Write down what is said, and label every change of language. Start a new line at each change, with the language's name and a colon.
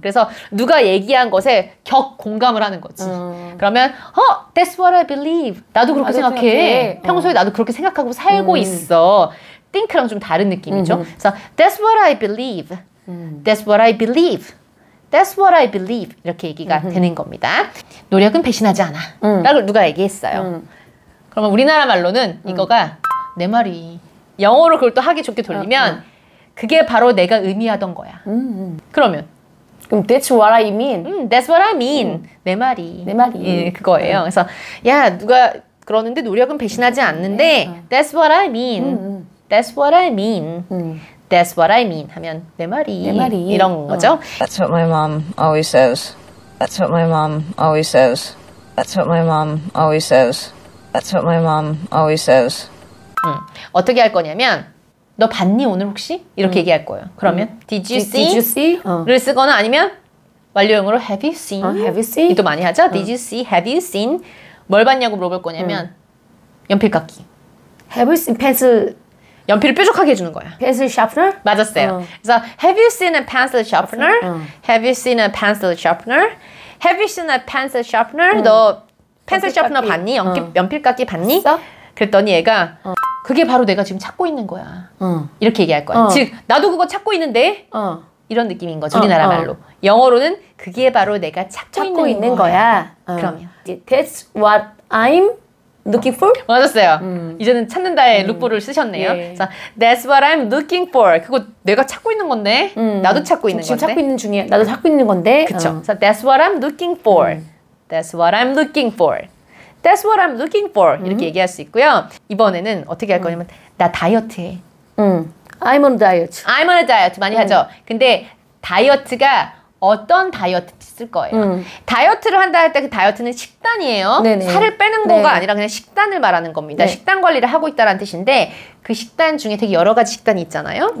Korean: 그래서 누가 얘기한 것에 격 공감을 하는 거지. 그러면
English: that's what I believe.
Korean: 나도 그렇게 생각해. 평소에 나도 그렇게 생각하고 살고 있어. think랑 좀 다른 느낌이죠. 그래서
English: that's what I believe. That's what I believe. That's what I believe.
Korean: 이렇게 얘기가 되는 겁니다. 노력은 배신하지 않아. 라고 누가 얘기했어요. 그러면 우리나라 말로는 이거가 내 말이. 영어로 그걸 또 하기 좋게 돌리면 그게 바로 내가 의미하던 거야. 그러면 그럼
English: that's what I mean. That's what I mean.
Korean: 내 말이. 내 말이. 그거예요. 그래서 야 누가 그러는데 노력은 배신하지 않는데
English: that's what I mean.
Korean: That's what I mean. That's what I mean. 하면 내 말이. 내 말이. 이런 거죠.
English: That's what my mom always says. That's what my mom always says. That's what my mom always says. That's what my mom always says.
Korean: 어떻게 할 거냐면 너 봤니 오늘 혹시? 이렇게 얘기할 거예요. 그러면
English: did you see? Did you see?
Korean: 를 쓰거나 아니면 완료형으로
English: have you seen? Have you seen?
Korean: 이도 많이 하죠.
English: Did you see? Have you seen?
Korean: 뭘 봤냐고 물어볼 거냐면 연필깎이.
English: Have you seen pencil?
Korean: 연필을 뾰족하게 해주는 거야.
English: Pencil sharpener?
Korean: 맞았어요. 그래서
English: Have you seen a pencil sharpener? Have you seen a pencil sharpener? Have you seen a pencil sharpener?
Korean: 너 펜슬 샤프너 봤니? 연필깎이 봤니? 있어? 그랬더니 얘가 그게 바로 내가 지금 찾고 있는 거야. 이렇게 얘기할 거야. 즉 나도 그거 찾고 있는데? 이런 느낌인 거죠. 우리나라 말로. 영어로는 그게 바로 내가 찾고 있는 거야. 그러면 That's what I'm
English: looking for?
Korean: 맞았어요. 이제는 찾는다의 룩보를 쓰셨네요. 예. 자,
English: that's what I'm looking for.
Korean: 그거 내가 찾고 있는 건데. 나도 찾고 있는 건데. 지금 찾고 있는 중이야. 나도 찾고 있는 건데. 그쵸. 자,
English: that's what I'm looking for. That's what I'm looking for. That's what I'm looking for.
Korean: 이렇게 얘기할 수 있고요. 이번에는 어떻게 할 거냐면 나 다이어트해.
English: I'm on a diet. I'm on a diet.
Korean: 많이 하죠. 근데 다이어트가 어떤 다이어트인지 쓸 거예요. 다이어트를 한다 할 때 그 다이어트는 식단이에요. 네네. 살을 빼는 거가 네. 아니라 그냥 식단을 말하는 겁니다. 네. 식단 관리를 하고 있다는 뜻인데 그 식단 중에 되게 여러 가지 식단이 있잖아요.